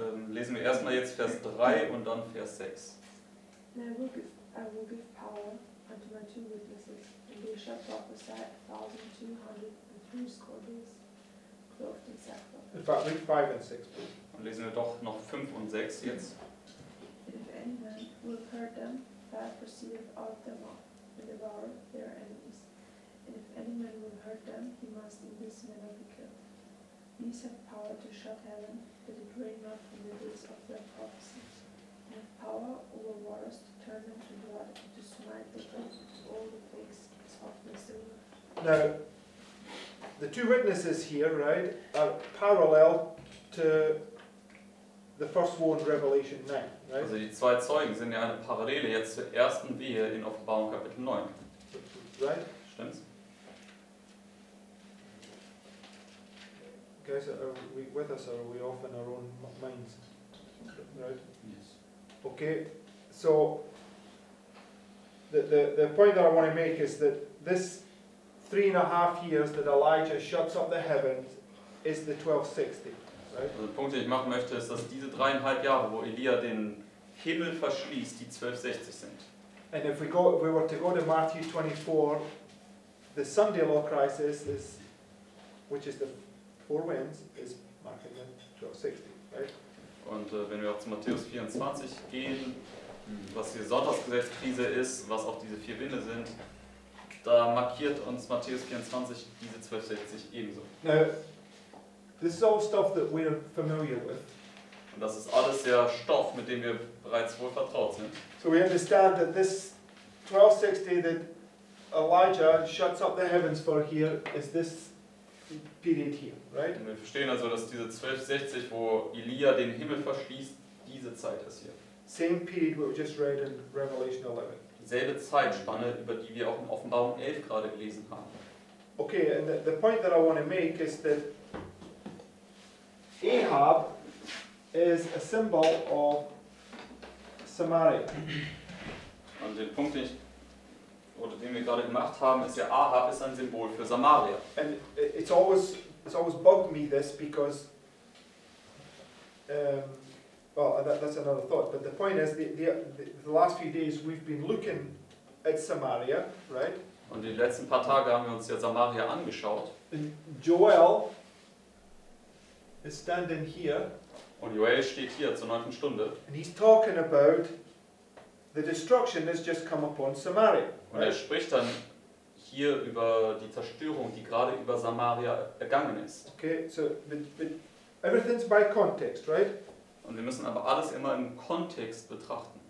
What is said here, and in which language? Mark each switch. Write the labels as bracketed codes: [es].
[de] Lesen wir erstmal jetzt Vers 3 und dann Vers 6. [en] I will give power unto my two witnesses, and they shall prophesy 1,200 days, clothed in sackcloth. In fact, read 5 and 6, please. [de] Und lesen wir doch noch 5 und 6 jetzt. [en] If any man will hurt them, that perceiveth out them all, and devour their enemies. And if any man will hurt them, he must in this manner be killed. These have power to shut heaven, that it rain not in the days of their prophecy. They have power over waters to turn them to blood, and to smite the earth with all the plagues of the silver. Now, the two witnesses here, right, are parallel to the first one, Revelation 9, right? [de] Also die zwei Zeugen sind ja eine Parallele jetzt zur ersten Wehe in Offenbarung Kapitel 9. [en] Right? [de] Stimmt's? [en] Guys, are we with us, or are we off in our own minds, right? Yes. Okay, so the point that I want to make is that this 3.5 years that Elijah shuts up the heavens is the 1260, right? [de] Also, der Punkt, den ich machen möchte, ist, dass diese 3.5 Jahre, wo Elia den Himmel verschließt, die 1260 sind. [en] And if we were to go to Matthew 24, the Sunday law crisis is, which is the four winds, is marking the 1260, right? [de] Und wenn wir auch zu Matthäus 24 gehen, was die Sonntagsgesetzkrise ist, was auch diese vier Winde sind, da markiert uns Matthäus 24 diese 1260 ebenso. [en] Now, this is all stuff that we're familiar with. [de] Und das ist alles der Stoff, mit dem wir bereits wohl vertraut sind. [en] So we understand that this 1260 that Elijah shuts up the heavens for here is this period here, right? [de] Und wir verstehen also, dass diese 1260, wo Elia den Himmel verschließt, diese Zeit ist hier. [en] Same period we just read in Revelation 11. [de] Dieselbe Zeitspanne, über die wir auch in Offenbarung 11 gerade gelesen haben. [en] Okay, and the point that I want to make is that Ahab is a symbol of Samaria. [de] Und den Punkt, den ich, oder den wir gerade gemacht haben, ist ja Ahab ist ein Symbol für Samaria. [en] And it's always bugged me this because that's another thought. But the point is the last few days we've been looking at Samaria, right? [de] Und die letzten paar Tage haben wir uns ja Samaria angeschaut. [en] And Joel is standing here. [de] Und Joel steht hier zur 9. Stunde. [en] And he's talking about the destruction that's just come upon Samaria. [de] Und er spricht dann hier über die Zerstörung, die gerade über Samaria ergangen ist. [en] Okay, so but everything's by context, right? [de] Und wir müssen aber alles immer im Kontext betrachten.